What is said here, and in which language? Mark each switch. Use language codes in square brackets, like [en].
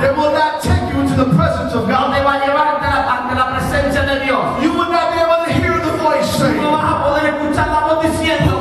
[en] They will not take you into the presence of God. [es] No te va a llevar ante la presencia de Dios. [en] You will not be able to hear the voice say. [es] No vas a poder escuchar la voz diciendo.